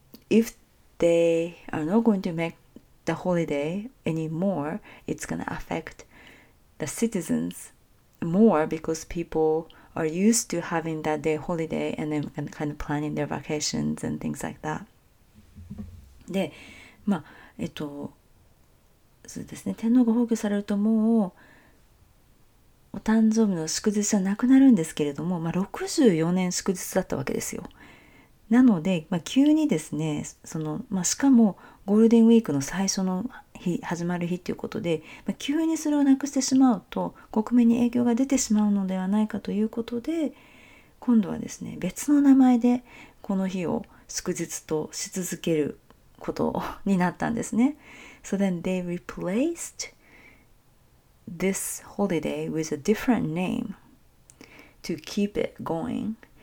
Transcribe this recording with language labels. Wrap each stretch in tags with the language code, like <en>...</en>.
<en>if they are not going to make the holiday anymore, it's going to affect the citizens more because people are used to having that day holiday and then kind of planning their vacations and things like that.</en> <ja>で、まあ、そうですね、天皇が崩御されるともうお誕生日の祝日はなくなるんですけれども、まあ、64年祝日だったわけですよ。なので、まあ、急にですね、その、まあ、しかもゴールデンウィークの最初の日、始まる日ということで、まあ、急にそれをなくしてしまうと国民に影響が出てしまうのではないかということで、今度はですね、別の名前でこの日を祝日とし続けることになったんですね。</ja> <en>So then they replaced this holiday with a different name to keep it going.</en>